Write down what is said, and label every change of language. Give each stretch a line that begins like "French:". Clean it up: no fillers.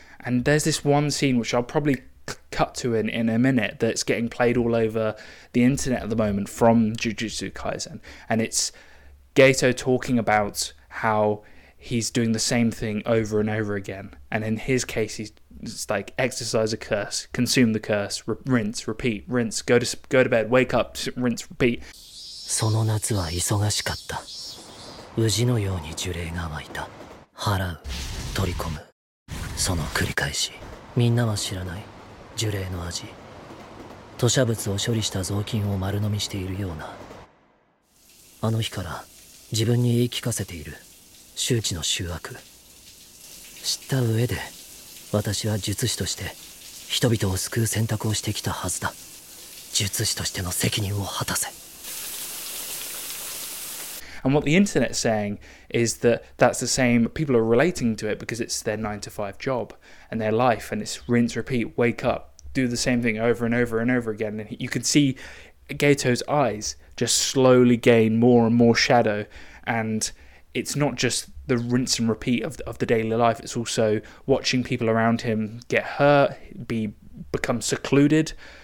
English: And there's this one scene which I'll probably cut to in a minute that's getting played all over the internet at the moment from Jujutsu Kaisen, and it's Geto talking about how he's doing the same thing over and over again, and in his case it's like exercise a curse, consume the curse, rinse, repeat, rinse, go to bed, wake up, rinse, repeat.
Japanese: その夏は忙しかった。宇治のように呪霊が湧いた。払う、取り込む、その繰り返し。みんなは知らない呪霊の味。吐砂物を処理した雑巾を丸飲みしているような。あの日から自分に言い聞かせている周知の醜悪。知った上で私は術師として人々を救う選択をしてきたはずだ。術師としての責任を果たせ。
English: And what the internet's saying is that that's the same, people are relating to it because it's their 9-to-5 job and their life, and it's rinse, repeat, wake up, do the same thing over and over and over again. And you can see Geto's eyes just slowly gain more and more shadow, and it's not just the rinse and repeat of the daily life, it's also watching people around him get hurt, become secluded.